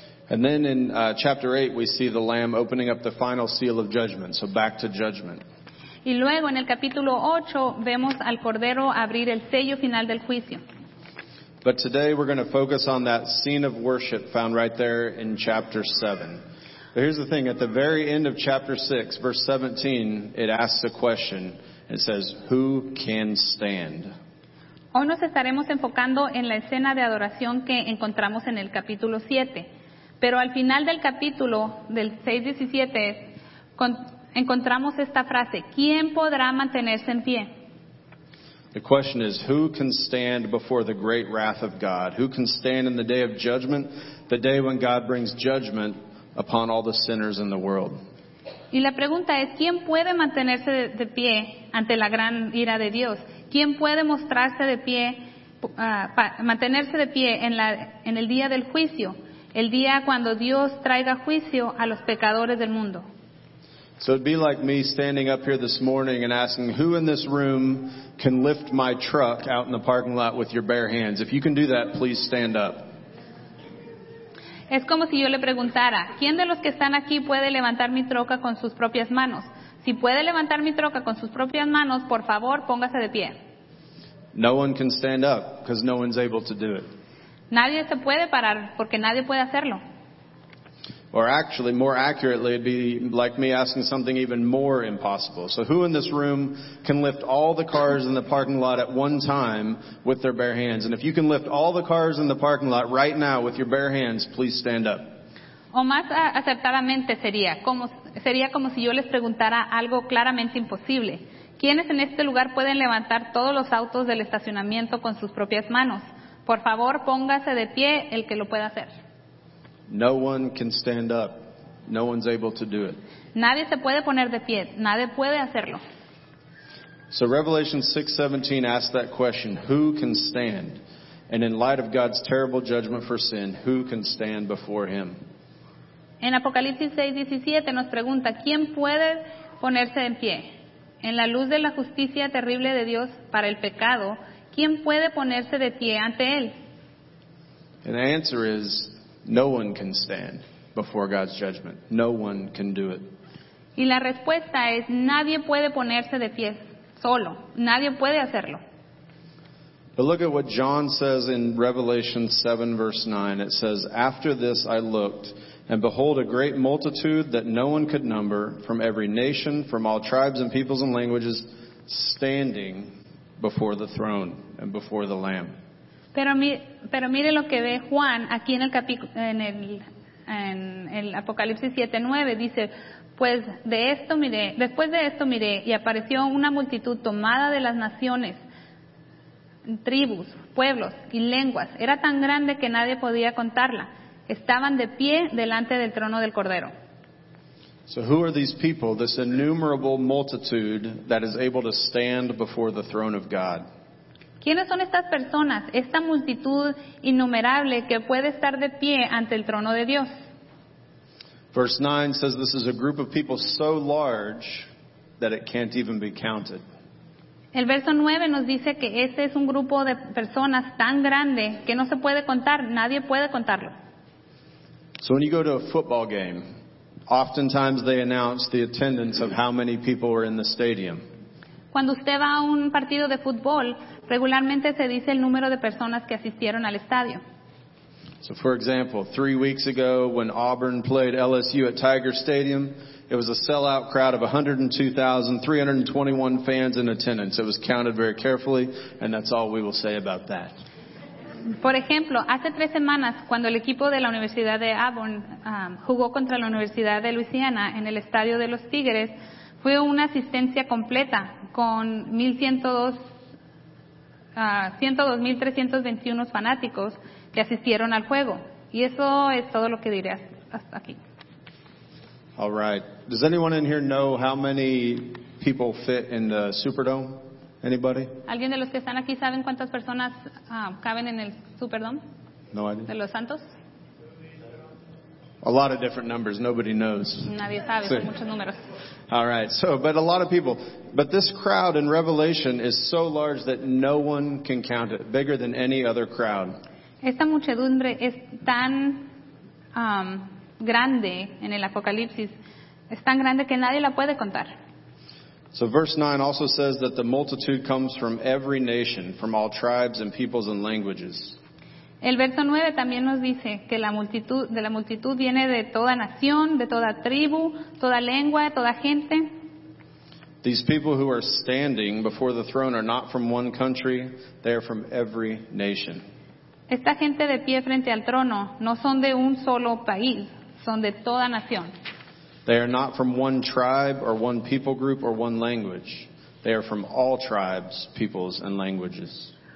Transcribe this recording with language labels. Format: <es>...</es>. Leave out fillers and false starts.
<en>And then in chapter 8, we see the Lamb opening up the final seal of judgment. So back to judgment.</en> <es>Y luego en el capítulo 8 vemos al Cordero abrir el sello final del juicio.</es> <en>But today we're going to focus on that scene of worship found right there in chapter 7. But here's the thing, at the very end of chapter 6, verse 17, it asks a question. It says, who can stand?</en> <es>Hoy nos estaremos enfocando en la escena de adoración que encontramos en el capítulo 7. Pero al final del capítulo, del 6:17, encontramos esta frase, ¿quién podrá mantenerse en pie?</es> <en>The question is, who can stand before the great wrath of God? Who can stand in the day of judgment, the day when God brings judgment upon all the sinners in the world?</en> <es>Y la pregunta es, ¿quién puede mantenerse de pie ante la gran ira de Dios? ¿Quién puede mostrarse de pie, mantenerse de pie en el día del juicio? El día cuando Dios traiga juicio a los pecadores del mundo.</es> <en>So it'd be like me standing up here this morning and asking, who in this room can lift my truck out in the parking lot with your bare hands? If you can do that, please stand up.</en> <es>Es como si yo le preguntara, ¿quién de los que están aquí puede levantar mi troca con sus propias manos? Si puede levantar mi troca con sus propias manos, por favor, póngase de pie.</es> <en>No one can stand up because no one's able to do it.</en> <es>Nadie se puede parar porque nadie puede hacerlo.</es> <en>Or actually, more accurately, it'd be like me asking something even more impossible. So who in this room can lift all the cars in the parking lot at one time with their bare hands? And if you can lift all the cars in the parking lot right now with your bare hands, please stand up.</en> <es>O más acertadamente sería como si yo les preguntara algo claramente imposible. ¿Quiénes en este lugar pueden levantar todos los autos del estacionamiento con sus propias manos? Por favor, póngase de pie el que lo pueda hacer.</es> <en>No one can stand up. No one's able to do it.</en> <es>Nadie se puede poner de pie. Nadie puede hacerlo.</es> <en>So Revelation 6:17 asks that question, who can stand? And in light of God's terrible judgment for sin, who can stand before him?</en> <es>En Apocalipsis 6:17 nos pregunta, ¿quién puede ponerse en pie? En la luz de la justicia terrible de Dios para el pecado, ¿quién puede ponerse de pie ante él?</es> <en>And the answer is, no one can stand before God's judgment. No one can do it.</en> <es>Y la respuesta es, nadie puede ponerse de pie solo. Nadie puede hacerlo.</es> <en>But look at what John says in Revelation 7, verse 9. It says, after this I looked, and behold, a great multitude that no one could number, from every nation, from all tribes and peoples and languages, standing before the throne and before the Lamb.</en> <es>Pero mire lo que ve Juan aquí en el Apocalipsis 7:9. Dice, Pues de esto miré, después de esto miré, y apareció una multitud tomada de las naciones, tribus, pueblos y lenguas. Era tan grande que nadie podía contarla. Estaban de pie delante del trono del Cordero.</es> <en>So who are these people, this innumerable multitude that is able to stand before the throne of God?</en> <es>¿Quiénes son estas personas, esta multitud innumerable que puede estar de pie ante el trono de Dios?</es> <en>Verse 9 says this is a group of people so large that it can't even be counted.</en> <es>El verso 9 nos dice que este es un grupo de personas tan grande que no se puede contar, nadie puede contarlo.</es> <en>So when you go to a football game, oftentimes they announce the attendance of how many people are in the stadium.</en> <es>Cuando usted va a un partido de fútbol, regularmente se dice el número de personas que asistieron al estadio.</es> <en>So for example, 3 weeks ago when Auburn played LSU at Tiger Stadium, it was a sellout crowd of 102,321 fans in attendance. It was counted very carefully, and that's all we will say about that.</en> <es>Por ejemplo, hace 3 semanas, cuando el equipo de la Universidad de Auburn jugó contra la Universidad de Louisiana en el Estadio de los Tigres, fue una asistencia completa con 102,321 fanáticos que asistieron al juego. Y eso es todo lo que diré hasta aquí.</es> <en>All right. Does anyone in here know how many people fit in the Superdome? Anybody?</en> <es>¿Alguien de los que están aquí saben cuántas personas caben en el Superdome?</es> <en>No, I didn't.</en> <es>¿De los Santos?</es> <en>A lot of different numbers. Nobody knows.</en> <es>Nadie sabe. Sí. Muchos números.</es> <en>All right. So, but a lot of people. But this crowd in Revelation is so large that no one can count it. Bigger than any other crowd.</en> <es>Esta muchedumbre es tan grande en el Apocalipsis. Es tan grande que nadie la puede contar.</es> <en>So verse 9 also says that the multitude comes from every nation, from all tribes and peoples and languages.</en> <es>El verso 9 también nos dice que la multitud viene de toda nación, de toda tribu, toda lengua, toda gente.</es> <en>These people who are standing before the throne are not from one country, they are from every nation.</en> <es>Esta gente de pie frente al trono no son de un solo país, son de toda nación.</es> <en>They are not from one tribe or one people group or one language. They are from all tribes, peoples, and languages.</en>